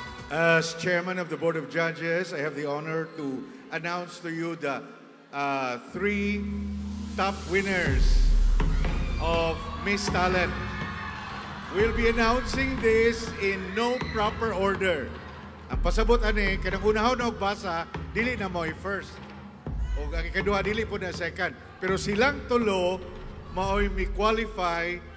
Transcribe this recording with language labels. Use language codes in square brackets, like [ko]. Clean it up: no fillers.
[en] As Chairman of the Board of Judges, I have the honor to announce to you the three top winners of Miss Talent. We'll be announcing this in no proper order. [ceb] Ang pasabot ani kanang unahaw na basa, dili na mo first. O ang ikaduha, dili po na second. Pero silang tulo, maoy mi qualify.